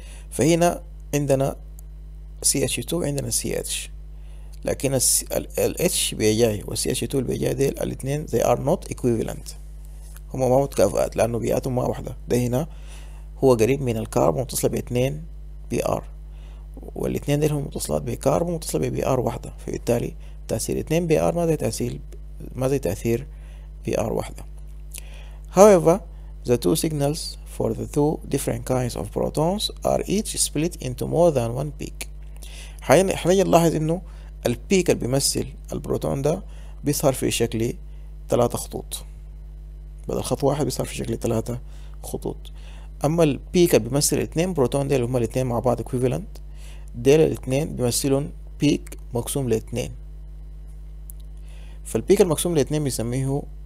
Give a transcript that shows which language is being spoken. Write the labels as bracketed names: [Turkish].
[Arabic] فهنا عندنا سي اتش 2 عندنا سي اتش، لكن ال اتش بيجاي والسي اتش 2 اللي بيجاي ديل الاثنين [English] they are not equivalent، [Arabic] هما ما متكافئات لانه بيئاتهم ما واحده. ده هنا هو قريب من الكربون متصله باثنين بي ار، والاثنين ديل هم متصلات بكربون متصله ببي ار واحده، فبالتالي تاثير اثنين بي ار ما زي تاثير بي ار واحده. [English] However, the two signals for the two different kinds of protons are each split into more than one peak. [Arabic] حنيجي نلاحظ انه البيك اللي بيمثل البروتون ده بيظهر في شكل ثلاثة خطوط، بدل خط واحد بيظهر في شكل ثلاثة خطوط. اما البيك اللي بيمثل الاثنين بروتون ديل اللي هما الاثنين مع بعض equivalent ديل الاثنين بيمثلون بيك مقسوم لاثنين، فالبيك المقسوم لاثنين بيسميه